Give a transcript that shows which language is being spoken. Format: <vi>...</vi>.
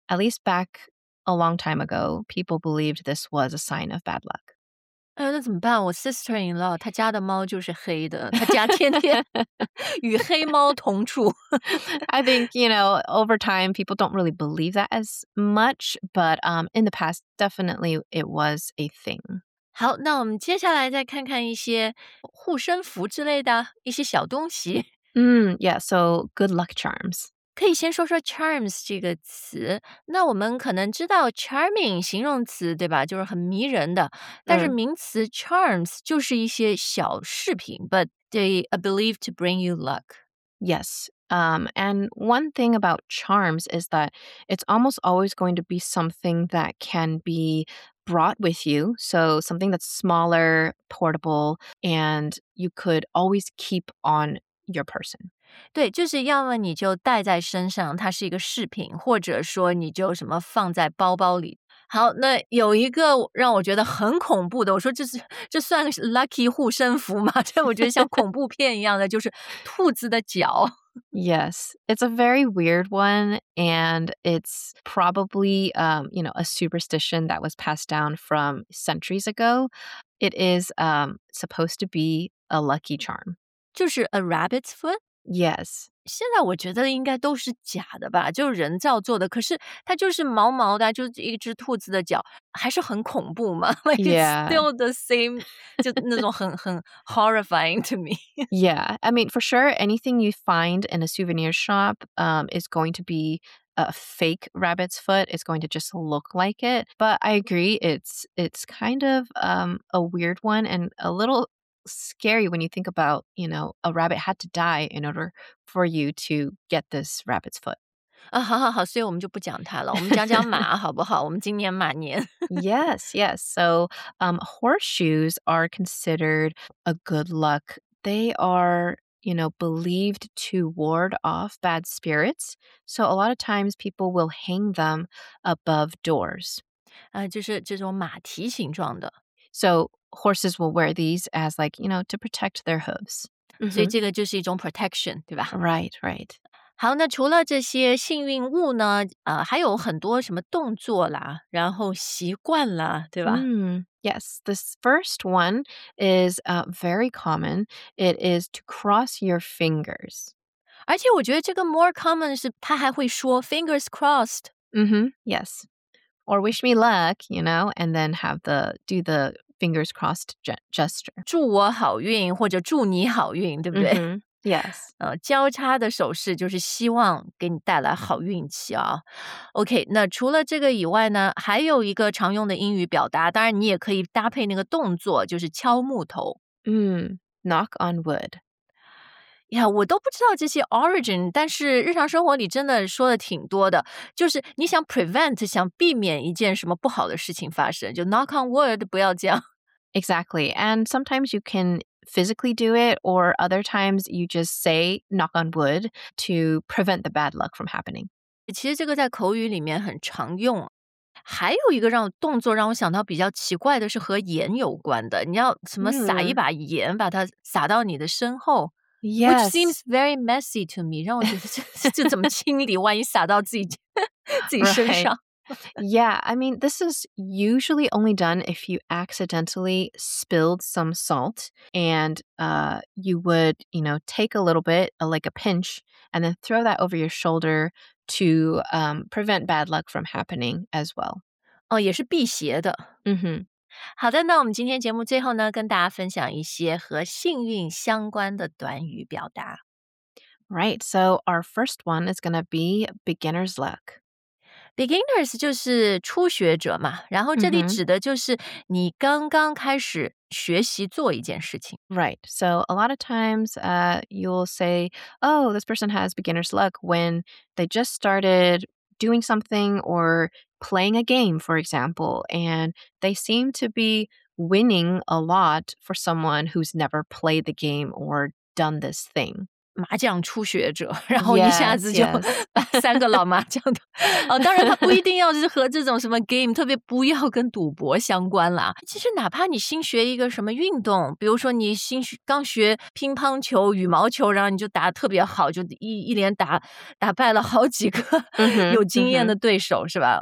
<en>At least back a long time ago, people believed this was a sign of bad luck.</en> <zh>哎，那怎么办？我 sister-in-law 她家的猫就是黑的，她家天天与黑猫同处。</zh> <en>I think, you know, over time, people don't really believe that as much, but in the past, definitely it was a thing.</en> <zh>好，那我们接下来再看看一些护身符之类的一些小东西。</zh> <en>Yeah, so good luck charms.</en> <zh>可以先说说 charms 这个词。那我们可能知道 charming 形容词，对吧？就是很迷人的。但是名词 charms 就是一些小饰品，</zh> <en>but they are believed to bring you luck. Yes. And one thing about charms is that it's almost always going to be something that can be brought with you. So something that's smaller, portable, and you could always keep on your person.</en> <zh>对，就是要么你就带在身上，它是一个饰品，或者说你就什么放在包包里。好，那有一个让我觉得很恐怖的，我说这算 lucky 护身符吗？这我觉得像恐怖片一样的，就是兔子的脚。</zh> <en>Yes, it's a very weird one, and it's probably, you know, a superstition that was passed down from centuries ago. It is, supposed to be a lucky charm.</en> <zh>就是</zh> <en>a rabbit's foot? Yes.</en> <zh>现在我觉得应该都是假的吧，就是人造做的。可是它就是毛毛的，就一只兔子的脚，还是很恐怖嘛。</zh> <en>Like, yeah. It's still the same,</en> <zh>就那种很</zh> <en>horrifying to me. Yeah. I mean, for sure, anything you find in a souvenir shop, is going to be a fake rabbit's foot. It's going to just look like it. But I agree, it's kind of, a weird one and a little... scary when you think about, you know, a rabbit had to die in order for you to get this rabbit's foot.</en> <zh>啊，好好好，所以我们就不讲它了，我们讲讲马好不好？我们今年马年。</zh> <en>Yes, yes. So, horseshoes are considered a good luck. They are, you know, believed to ward off bad spirits. So a lot of times people will hang them above doors.</en> <zh>啊，就是这种马蹄形状的。</zh> <en>So,horses will wear these as like, you know, to protect their hooves.</en> <zh>所以这个就是一种 protection, 对吧?</zh> <en>Right, right.</en> <zh>好，那除了这些幸运物呢，还有很多什么动作啦，然后习惯啦，对吧?</zh> <en>Yes, this first one is very common. It is to cross your fingers.</en> <zh>而且我觉得这个</zh> <en>more common</en> <zh>是他还会说</zh> <en>fingers crossed. Yes. Or wish me luck, you know, and then have the, do the,fingers crossed gesture.</en> <zh>祝我好运或者祝你好运，对不对？</zh> <en>Yes.</en> <zh>交叉的手势就是希望给你带来好运气啊。 OK, 那除了这个以外呢，还有一个常用的英语表达，当然你也可以搭配那个动作，就是敲木头。</zh> <en>Knock on wood.</en> <zh>Yeah, 我都不知道这些 origin, 但是日常生活里真的说的挺多的。就是你想 prevent, 想避免一件什么不好的事情发生，就</zh> <en>knock on wood,</en> <zh>不要这样。</zh> <en>Exactly, and sometimes you can physically do it, or other times you just say knock on wood to prevent the bad luck from happening.</en> <zh>其实这个在口语里面很常用。还有一个让动作让我想到比较奇怪的是和盐有关的。你要什么撒一把盐把它撒到你的身后。</zh> <en>Yes. Which seems very messy to me.</en> <zh>让我觉得这怎么清理，万一撒到自己身上。</zh> <en>Right. Yeah, I mean, this is usually only done if you accidentally spilled some salt and you would, you know, take a little bit, like a pinch, and then throw that over your shoulder to prevent bad luck from happening as well.</en> <zh>哦，也是辟邪的。好的，那我们今天节目最后呢，跟大家分享一些和幸运相关的短语表达。</zh> <en>Right, so our first one is going to be beginner's luck.</en> <zh>Beginner's 就是初学者嘛，然后这里指的就是你刚刚开始学习做一件事情。</zh> <en>Right, so a lot of times you'll say, oh, this person has beginner's luck when they just started doing something orplaying a game, for example, and they seem to be winning a lot for someone who's never played the game or done this thing.</en> <zh>麻将初学者，然后一下子就把三个老麻将的 哦，当然他不一定要是和这种什么 game， 特别不要跟赌博相关啦。其实哪怕你新学一个什么运动，比如说你新学刚学乒乓球、羽毛球，然后你就打特别好，就一连打败了好几个有经验的对手，是吧？</zh>